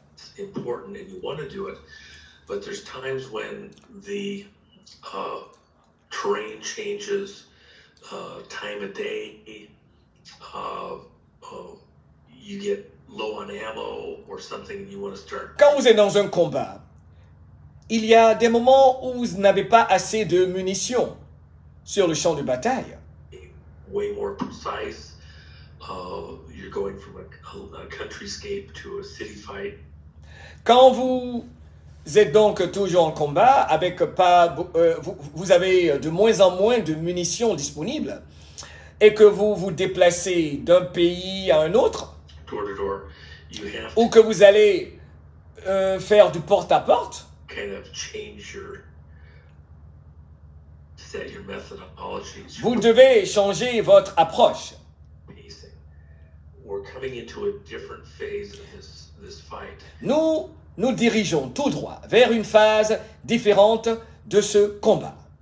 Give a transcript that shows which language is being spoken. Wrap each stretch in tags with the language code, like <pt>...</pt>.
<fr>C'est important et vous voulez le faire, mais il y a des moments où</fr> <en>terrain changes, time of day, you get low on ammo or something and you want to start.</en> <fr>Quand vous êtes dans un combat, il y a des moments où vous n'avez pas assez de munitions sur le champ de bataille.</fr> <en>Way more precise, you're going from a countryscape to a city fight.</en> <fr>Quand vous êtes donc toujours en combat avec pas vous avez de moins en moins de munitions disponibles et que vous vous déplacez d'un pays à un autre,</fr> <en>door to door, you have to,</en> <fr>ou que vous allez faire du porte à porte,</fr> <en>kind of change your, set your methodologies,</en> <fr>vous devez changer votre approche.</fr> <en>We're coming into a different phase of this fight.</en> <fr>Nous dirigeons tout droit vers une phase différente de ce combat.</fr>